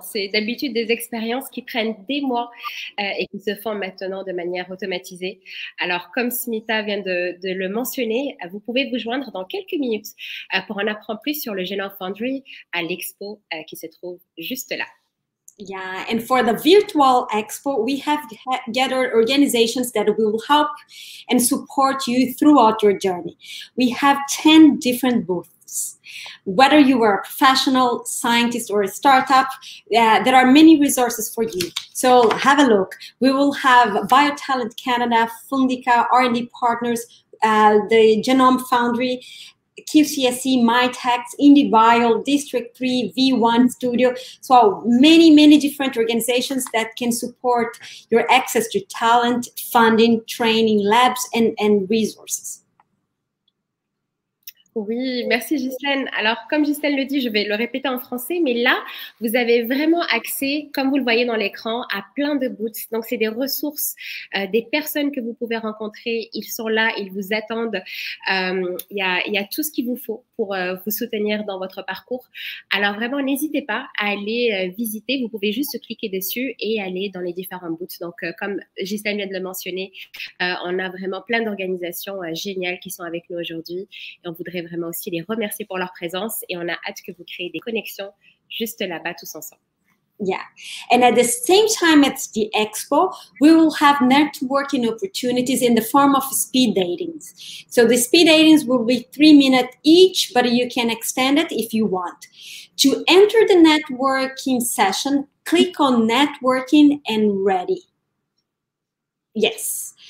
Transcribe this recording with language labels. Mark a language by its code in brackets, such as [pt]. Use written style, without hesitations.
[fr] C'est d'habitude des expériences qui prennent des mois et qui se font maintenant de manière automatisée. Alors, comme Smita vient de le mentionner, vous pouvez vous joindre dans quelques minutes pour en apprendre plus sur le Genome Foundry à l'expo qui se trouve juste là. [en] Yeah, and for the virtual expo, we have gathered organizations that will help and support you throughout your journey. We have 10 different booths. Whether you are a professional, scientist, or a startup, there are many resources for you. So have a look. We will have BioTalent Canada, Fundica, R&D Partners, the Genome Foundry, QCSC, MyTax, IndieBio, District 3, V1 Studio. So many, many different organizations that can support your access to talent, funding, training, labs, and resources. [fr] Oui, merci Ghislaine. Alors, comme Ghislaine le dit, je vais le répéter en français, mais là, vous avez vraiment accès, comme vous le voyez dans l'écran, à plein de booths. Donc, c'est des ressources, des personnes que vous pouvez rencontrer. Ils sont là, ils vous attendent. Il y a tout ce qu'il vous faut pour vous soutenir dans votre parcours. Alors, vraiment, n'hésitez pas à aller visiter. Vous pouvez juste cliquer dessus et aller dans les différents booths. Donc, comme Ghislaine vient de le mentionner, on a vraiment plein d'organisations géniales qui sont avec nous aujourd'hui. Et on voudrait vraiment aussi les remercier pour leur présence et on a hâte que vous créez des connexions juste là-bas tous ensemble. [en] Yeah, and at the same time at the expo, we will have networking opportunities in the form of speed datings. So the speed datings will be 3 minutes each, but you can extend it if you want. To enter the networking session, click on networking and ready. Yes.